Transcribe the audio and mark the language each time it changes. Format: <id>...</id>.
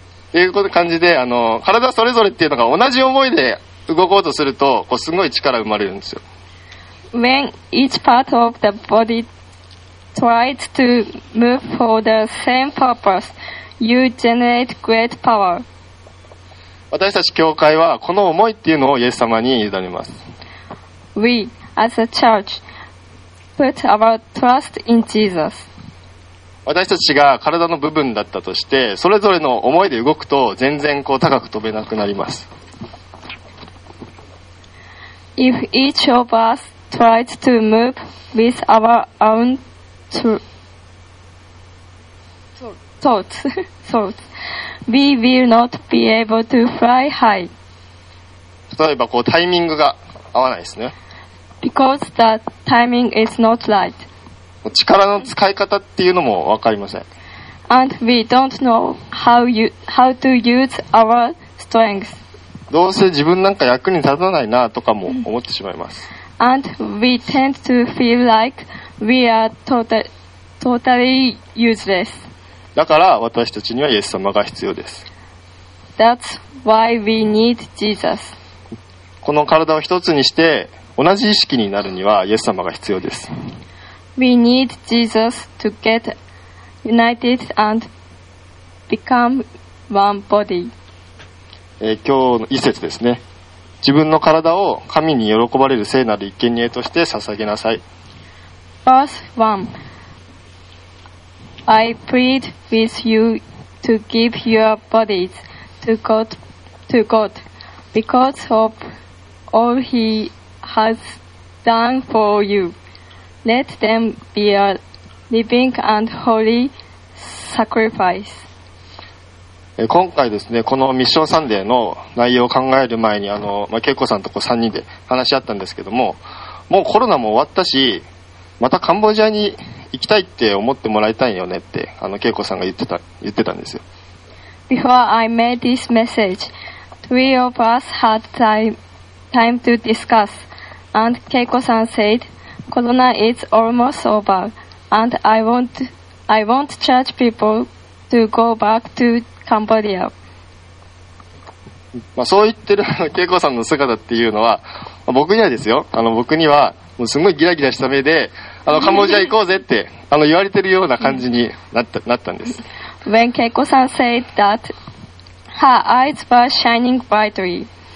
<ja>っていう感じで、体それぞれっていうのが同じ思いで動こうとすると、こうすごい力が生まれるんですよ。</ja> <en>When each part of the body tries to move for the same purpose, you generate great power.</en> <ja>私たち教会はこの思いっていうのをイエス様に委ねます。</ja> <en>We, as a church, put our trust in Jesus.</en> <ja>私たちが体の部分だったとして、それぞれの思いで動くと全然こう高く飛べなくなります。</ja> <en>If each of us tries to move with our own thoughts, we will not be able to fly high.</en> <ja>例えばこうタイミングが合わないですね。</ja> <en>Because the timing is not right.</en> <ja>力の使い方っていうのも分かりません。</ja> <en>And we don't know how to use our strengths.</en> <ja>どうせ自分なんか役に立たないなとかも思ってしまいます。</ja> <en>And we tend to feel like we are totally useless.</en> <ja>だから私たちにはイエス様が必要です。</ja> <en>That's why we need Jesus.</en> <ja>この体を一つにして同じ意識になるにはイエス様が必要です。</ja> <en>We need Jesus to get united and become one body.</en> <ja>今日の一節ですね。自分の体を神に喜ばれる聖なる生贄として捧げなさい。</ja> <en>Verse 1. I plead with you to give your bodies to God because of all he has done for you. Let them be a living and holy sacrifice.</en> <ja>今回ですね、このミッションサンデーの内容を考える前に、まあ、恵子さんとこう3人で話し合ったんですけども、もうコロナも終わったし、またカンボジアに行きたいって思ってもらいたいよねって、恵子さんが言ってたんですよ。</ja> <en>Before I made this message, three of us had time to discuss, and 恵子さん said, Corona is almost over, and I want church people to go back toカンボジア。</en> <ja>まあ、そう言ってる恵子さんの姿っていうのは、まあ、僕にはですよ、僕にはもうすごいギラギラした目で、カンボジア行こうぜって言われてるような感じになったんです。</ja> <en>When 恵子さん said that, her eyes were shining brightly.</en>